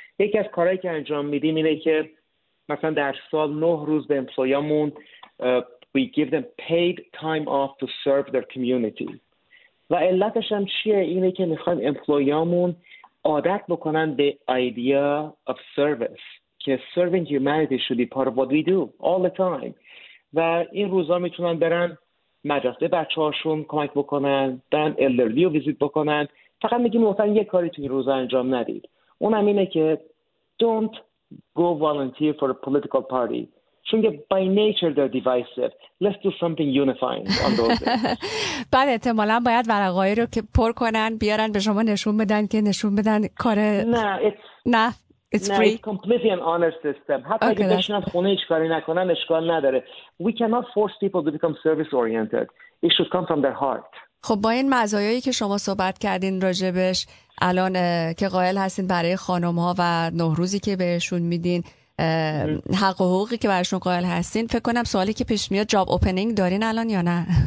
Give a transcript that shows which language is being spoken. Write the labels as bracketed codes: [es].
[fa] یکی از کارهایی که انجام میدیم اینه که مثلا در سال 9 روز به امپلویامون [en] we give them paid time off to serve their community. [fa] و علتش هم چیه؟ اینه که میخوایم امپلویامون عادت بکنن به [en] idea of service. که serving humanity should be part of what we do all the time. [fa] و این روزا میتونن برن مدرسه بچه هاشون کمک بکنن، برن elderly رو ویزیت بکنن. فقط میگیم مثلا یک کاری توی روزا انجام ندید. اونم اینه که [en] don't go volunteer for a political party. چون که by nature they're divisive. Let's do something unifying on those things. [fa] بعد احتمالا باید ورقه رو که پر کنن بیارن به شما نشون بدن که نشون بدن کار نه [en] It's free. It's completely an honor system. [fa] حتی اگه بشنن خونه هیچ کاری نکنن اشکال نداره. [en] We cannot force people to become service oriented. It should come from their heart. [fa] خب با این مزایایی که شما صحبت کردین راجبش الان که قائل هستین برای خانم ها و نوروزی که بهشون میدین حق و حقوقی که برشون قائل هستین فکر کنم سوالی که پیش میاد جاب اوپنینگ دارین الان یا نه؟